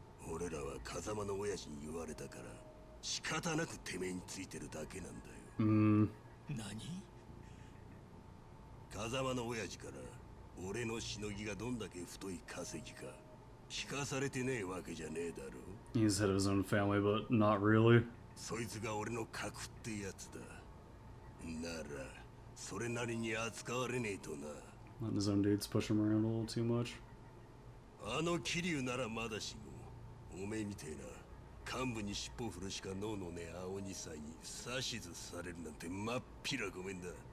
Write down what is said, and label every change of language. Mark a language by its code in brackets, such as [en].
[ja] 俺らは風間の親父に言われたから仕方なくてめえについてるだけなんだよ。何？風間の親父から俺のしのぎがどんだけ太い稼ぎか聞かされてねえわけじゃねえだろ。 [en] He said of his own family, but not really. [ja] そいつが俺の核ってやつだ。ならそれなりに扱われねえとな。 [en] Letting his own dudes push him around a little too much. [ja] あの桐生ならまだしも、おめえみてえな幹部に尻尾振るしか脳のねえ青二歳に指図されるなんてまっぴらごめんだ。